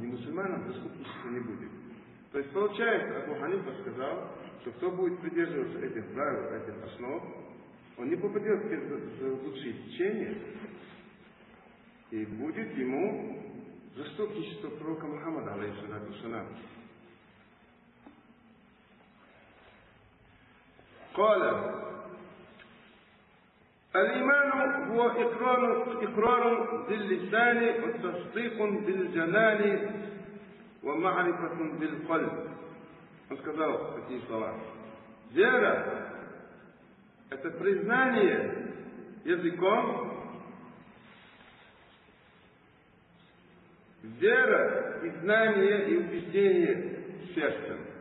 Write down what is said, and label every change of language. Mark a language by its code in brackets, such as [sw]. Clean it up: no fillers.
[ru] Не мусульманам заступничества не будет. То есть получается, Абу Ханифа сказал, что кто будет придерживаться этих правил, этих основ, он не попадет в лучшие течения, и будет ему заступничество пророка Мухаммада, алейхиссаляту вассалям. [ar] قال الإيمان هو إقرار باللسان وتصديق بالجنان ومعرفة بالقلب. [ru] Сказал такие слова. Вера – это признание языком. Вера – и знание, и убеждение сердцем.